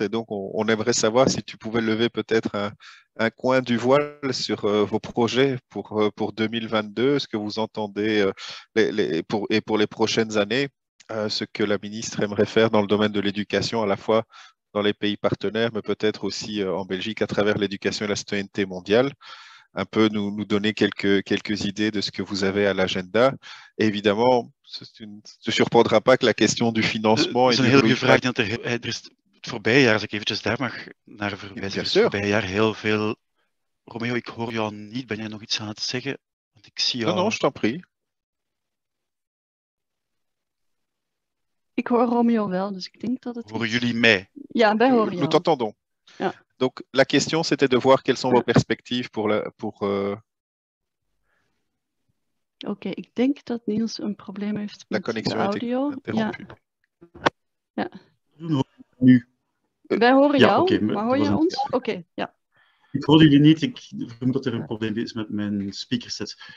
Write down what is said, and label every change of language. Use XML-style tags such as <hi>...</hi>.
<fr>Et donc, on aimerait savoir si tu pouvais lever peut-être un coin du voile sur vos projets pour 2022, ce que vous entendez pour les prochaines années, ce que la ministre aimerait faire dans le domaine de l'éducation, à la fois dans les pays partenaires, mais peut-être aussi en Belgique, à travers l'éducation et la citoyenneté mondiale. Un peu nous donner quelques idées de ce que vous avez à l'agenda. Et évidemment, ne surprendra pas que la question du financement... C'est une</fr> <nl>hele goede vraag, Het voorbije jaar, als ik eventjes daar mag naar verwijzen, ja, het voorbije jaar heel veel... Romeo, ik hoor jou niet. Ben jij nog iets aan het zeggen? Want ik zie jou...</nl> <fr>Non, je t'en prie.</fr> <nl>Ik hoor Romeo wel, dus ik denk dat het... Horen jullie mij? Ja, wij horen jou.</nl> <fr>Nous t'entendons.</fr> <nl>Ja.</nl> <fr>Donc, la question, c'était de voir quelles sont vos perspectives pour...</fr> <nl>Oké, ik denk dat Niels een probleem heeft met de audio.</nl> <fr>La connexion est interrompue.</fr> <nl>Ja. Ja. Nu. Wij horen jou, okay, maar hoor je ons? Oké, ja. Ik hoor jullie niet, ik vermoed dat er een probleem is met mijn speakerset.</nl>